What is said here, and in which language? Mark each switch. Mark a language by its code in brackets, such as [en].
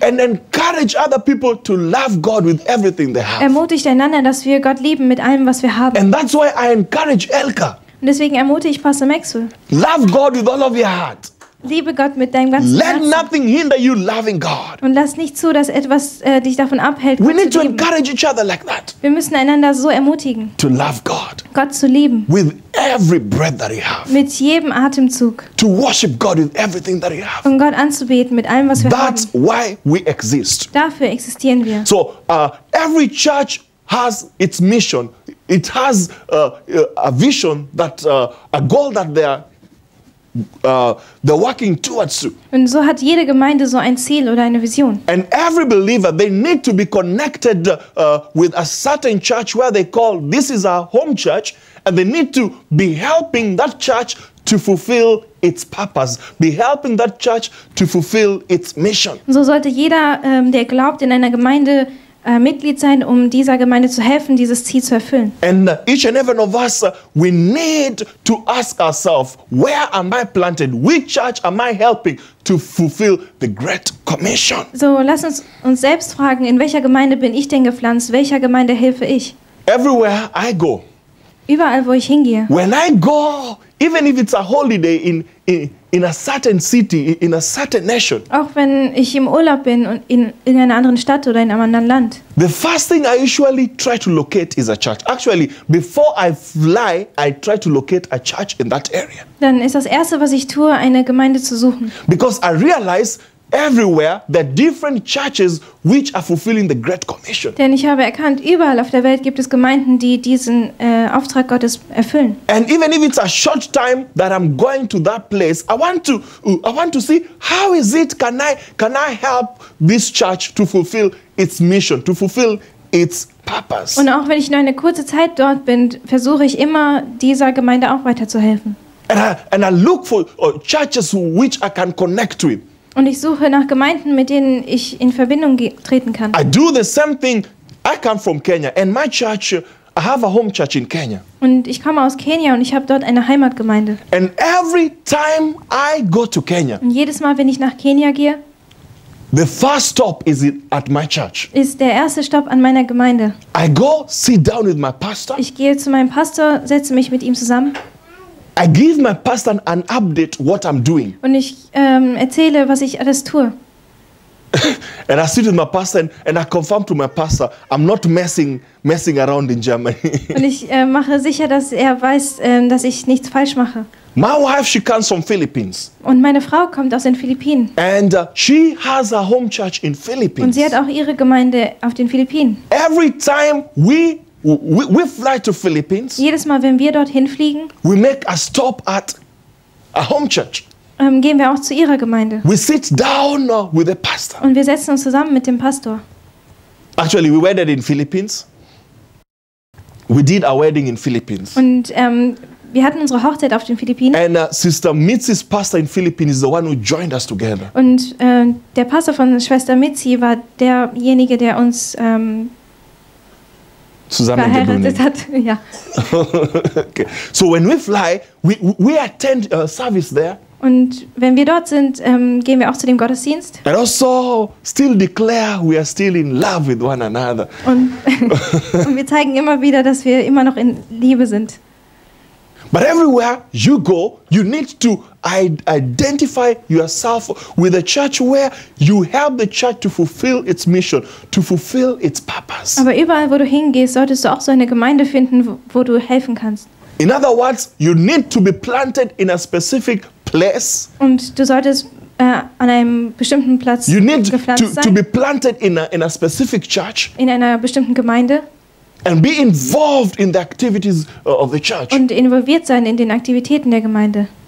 [en] And encourage other people to love God with everything they have. [de] Ermutigt einander, dass wir Gott lieben mit allem, was wir haben. [en] And that's why I encourage Elka. [de] Und deswegen ermutige ich Pastor Maxwell. [en] Love God with all of your heart. [de] Liebe Gott mit deinem ganzen [en] Let [de] Herzen. [en] Nothing hinder you loving God. [de] Und lass nicht zu, dass etwas dich davon abhält, Gott [en] We need [de] zu lieben. [en] To encourage each other like that. [de] Wir müssen einander so ermutigen, [en] to love God. [de] Gott zu lieben. [en] With every breath that you have. [de] Mit jedem Atemzug. [en] To worship God with everything that you have. [de] Und Gott anzubeten mit allem, was wir [en] That's [de] haben. [en] Why we exist. [de] Dafür existieren wir. [en] So, every church has its mission. It has a vision, that a goal that they are they're working towards to. [de] Und so hat jede Gemeinde so ein Ziel oder eine Vision. [en] And every believer, they need to be connected with a certain church where they call this is our home church, and they need to be helping that church to fulfill its purpose, be helping that church to fulfill its mission. [de] So sollte jeder, der glaubt, in einer Gemeinde Mitglied sein, um dieser Gemeinde zu helfen, dieses Ziel zu erfüllen. [en] And each and every one of us, we need to ask ourselves, where am I planted? Which church am I helping to fulfill the Great Commission? [de] So, lass uns selbst fragen, in welcher Gemeinde bin ich denn gepflanzt? Welcher Gemeinde helfe ich? [en] Everywhere I go. [de] Überall, wo ich hingehe. [en] When I go, even if it's a holiday in a certain city, in a certain nation. [de] Auch wenn ich im Urlaub bin und in einer anderen Stadt oder in einem anderen Land. [en] The first thing I usually try to locate is a church. Actually, before I fly, I try to locate a church in that area. [de] Dann ist das Erste, was ich tue, eine Gemeinde zu suchen. [en] Because I realize everywhere there are different churches which are fulfilling the Great Commission. [de] Denn ich habe erkannt, überall auf der Welt gibt es Gemeinden, die diesen Auftrag Gottes erfüllen. [en] And even if it's a short time that I'm going to that place, I want to see how is it, can I help this church to fulfill its mission, to fulfill its purpose. [de] Und auch wenn ich nur eine kurze Zeit dort bin, versuche ich immer, dieser Gemeinde auch weiterzuhelfen. [en] And I look for churches which I can connect with. [de] Und ich suche nach Gemeinden, mit denen ich in Verbindung treten kann. [en] I do the same thing. I come from Kenya and my church, I have a home church in Kenya. [de] Und ich komme aus Kenia und ich habe dort eine Heimatgemeinde. [en] And every time I go to Kenya. [de] Und jedes Mal, wenn ich nach Kenia gehe, [en] The first stop is at my church. [de] Ist der erste Stopp an meiner Gemeinde. [en] I go sit down with my pastor. [de] Ich gehe zu meinem Pastor, setze mich mit ihm zusammen. [en] I give my pastor an update what I'm doing. [de] Und ich erzähle, was ich alles tue. [en] And I sit with my pastor and I confirm to my pastor I'm not messing around in Germany. [de] Und ich mache sicher, dass er weiß, dass ich nichts falsch mache. [en] My wife, she comes from Philippines. [de] Und meine Frau kommt aus den Philippinen. [en] And she has a home church in Philippines. [de] Und sie hat auch ihre Gemeinde auf den Philippinen. [en] Every time we fly to Philippines. [de] Jedes Mal, wenn wir dorthin fliegen, [en] we make a stop at a home church. [de] Gehen wir auch zu ihrer Gemeinde. [en] We sit down with the pastor. [de] Und wir setzen uns zusammen mit dem Pastor. [en] Actually, we wedded in Philippines. We did a wedding in Philippines. [de] Und wir hatten unsere Hochzeit auf den Philippinen. [en] And Sister Mitzi's pastor in Philippines is the one who joined us together. [de] Und der Pastor von Schwester Mitzi war derjenige, der uns verheiratet hat. Ja. [en] Okay. So when we fly, we attend a service there. [de] Und wenn wir dort sind, gehen wir auch zu dem Gottesdienst. [en] And also still declare we are still in love with one another. [de] Und, und wir zeigen immer wieder, dass wir immer noch in Liebe sind. [en] But everywhere you go, you need to identify yourself with a church where you help the church to fulfill its mission, to fulfill its purpose. [de] Aber überall, wo du hingehst, solltest du auch so eine Gemeinde finden, wo du helfen kannst. [en] In other words, you need to be planted in a specific place. [de] Und du solltest an einem bestimmten Platz [en] you need [de] gepflanzt [en] to be planted in a specific church. [de] In einer bestimmten Gemeinde. [en] And be involved in the activities of the church. [de] Und involviert sein in den Aktivitäten der Gemeinde.